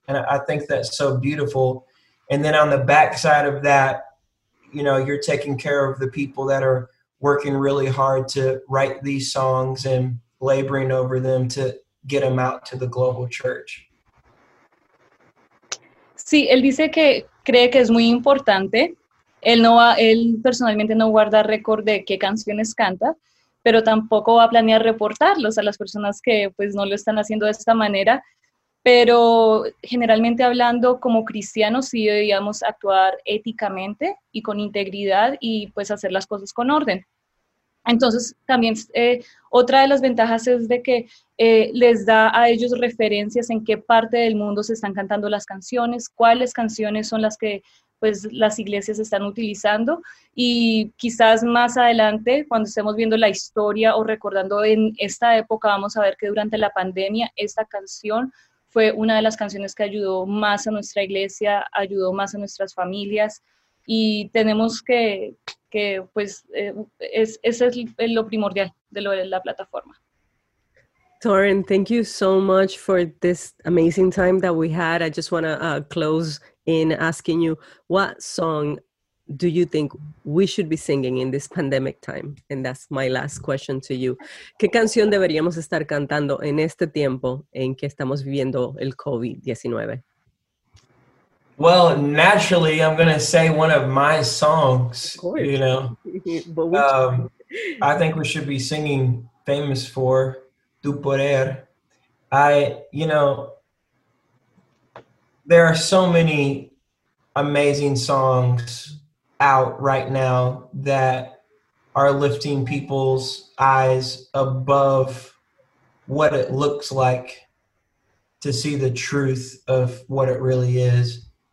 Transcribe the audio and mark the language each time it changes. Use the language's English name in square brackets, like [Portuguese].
[English] And I think that's so beautiful. And then on the backside of that, you know, you're taking care of the people that are working really hard to write these songs and laboring over them to get them out to the global church. [Spanish] Sí, él dice que cree que es muy importante. Él no va, él personalmente no guarda récord de qué canciones canta, pero tampoco va a planear reportarlos a las personas que pues no lo están haciendo de esta manera. Pero generalmente hablando, como cristianos sí debíamos actuar éticamente y con integridad y pues hacer las cosas con orden. Entonces también otra de las ventajas es de que les da a ellos referencias en qué parte del mundo se están cantando las canciones, cuáles canciones son las que pues las iglesias están utilizando, y quizás más adelante, cuando estemos viendo la historia o recordando en esta época, vamos a ver que durante la pandemia esta canción fue una de las canciones que ayudó más a nuestra iglesia, ayudó más a nuestras familias, y tenemos que pues, ese es lo primordial de lo de la plataforma. [English] Torin, thank you so much for this amazing time that we had. I just want to close in asking you, what song do you think we should be singing in this pandemic time? And that's my last question to you. [Spanish] ¿Qué canción deberíamos estar cantando en este tiempo en que estamos viviendo el COVID-19? [English] Well, naturally, I'm going to say one of my songs. Of course. You know, but which I think we should be singing Famous for Tu Poder. I, you know, there are so many amazing songs out right now that are lifting people's eyes above what it looks like to see the truth of what it really is.